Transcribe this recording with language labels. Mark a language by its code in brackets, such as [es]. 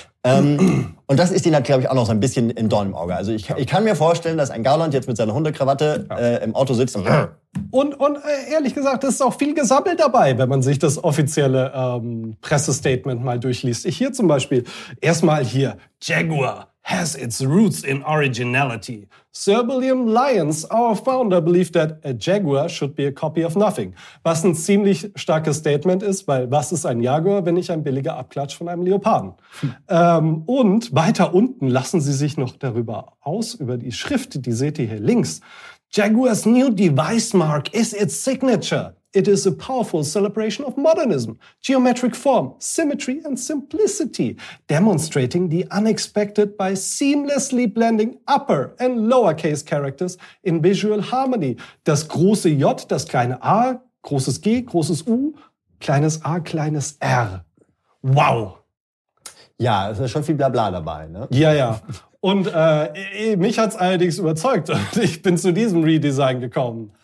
[de] Und das ist ihnen, glaube ich, auch noch so ein bisschen im Dorn im Auge. Also ich kann mir vorstellen, dass ein Garland jetzt mit seiner Hundekrawatte im Auto sitzt und... Ehrlich gesagt, es ist auch viel gesammelt dabei, wenn man sich das offizielle Pressestatement mal durchliest. Ich hier zum Beispiel, erstmal hier, [en] Jaguar has its roots in originality. Sir William Lyons, our founder, believed that a Jaguar should be a copy of nothing. [de] Was ein ziemlich starkes Statement ist, weil was ist ein Jaguar, wenn nicht ein billiger Abklatsch von einem Leoparden? Und weiter unten lassen Sie sich noch darüber aus, über die Schrift, die seht ihr hier links. [en] Jaguar's new device mark is its signature. It is a powerful celebration of modernism, geometric form, symmetry and simplicity, demonstrating the unexpected by seamlessly blending upper and lowercase characters in visual harmony. [de] Das große J, das kleine A, großes G, großes U, kleines A, kleines R. Wow. Ja, es ist schon viel Blabla dabei, ne? Ja, ja. Und mich hat's allerdings überzeugt und ich bin zu diesem Redesign gekommen.